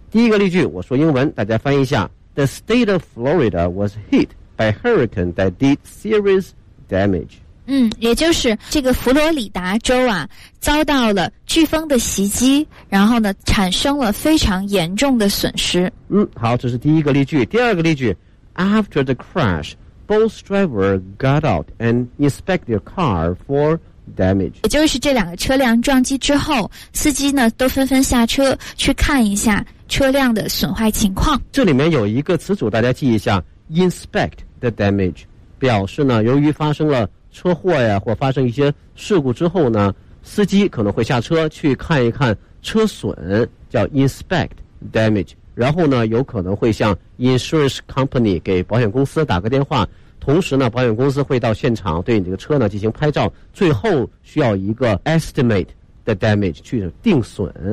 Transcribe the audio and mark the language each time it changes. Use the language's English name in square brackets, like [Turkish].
[Chinese] 第一个例句，我说英文，大家翻译一下。 [English] The state of Florida was hit by hurricane that did serious damage. [Chinese] 嗯，也就是这个佛罗里达州啊，遭到了飓风的袭击，然后呢，产生了非常严重的损失。嗯，好，这是第一个例句。第二个例句 [English] ，After the crash, both drivers got out and inspected their car for damage. [Chinese] 也就是这两个车辆撞击之后，司机呢都纷纷下车去看一下车辆的损坏情况。这里面有一个词组，大家记一下 ， [English] inspect the damage， [Chinese] 表示呢，由于发生了车祸呀，或发生一些事故之后呢，司机可能会下车去看一看车损，叫 [English] inspect damage， [Chinese] 然后呢有可能会向 [English] insurance company [Chinese] 给保险公司打个电话，同时呢保险公司会到现场对你这个车呢进行拍照，最后需要一个 [English] estimate the damage [Chinese] 去定损。